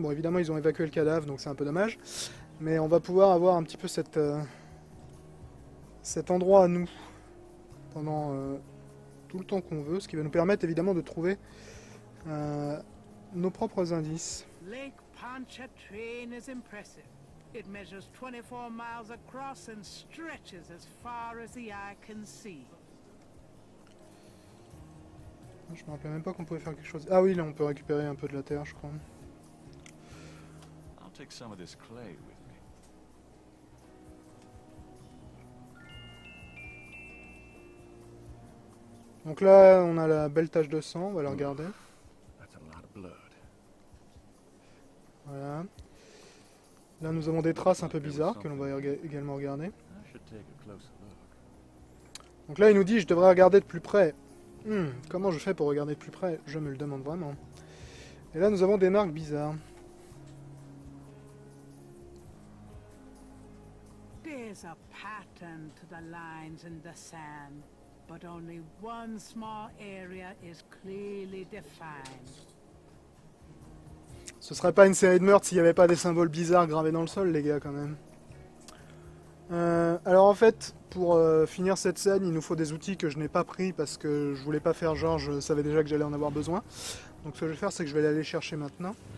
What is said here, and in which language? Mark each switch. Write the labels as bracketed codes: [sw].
[fr] Bon, évidemment, ils ont évacué le cadavre, donc c'est un peu dommage. Mais on va pouvoir avoir un petit peu cette, cet endroit à nous pendant tout le temps qu'on veut. Ce qui va nous permettre, évidemment, de trouver nos propres indices. [en] Lake Pontchartrain is impressive. It measures 24 miles across and stretches as far as the eye can see. [fr] Je me rappelle même pas qu'on pouvait faire quelque chose. Ah oui, là on peut récupérer un peu de la terre, je crois. [en] I'll take some of this clay with me. [fr] Donc là, on a la belle tache de sang, on va la regarder. [en] That's a lot of blood. [fr] Voilà. Là, nous avons des traces un peu bizarres que l'on va également regarder. [en] I should take a closer look. [fr] Donc là, il nous dit je devrais regarder de plus près. Comment je fais pour regarder de plus près? Je me le demande vraiment. Et là, nous avons des marques bizarres. [en] There's a pattern to the lines in the sand, but only one small area is clearly defined. [fr] Ce serait pas une série de meurtres s'il n'y avait pas des symboles bizarres gravés dans le sol, les gars, quand même. Alors en fait, pour finir cette scène, il nous faut des outils que je n'ai pas pris parce que je voulais pas faire genre, je savais déjà que j'allais en avoir besoin. Donc ce que je vais faire, c'est que je vais aller chercher maintenant.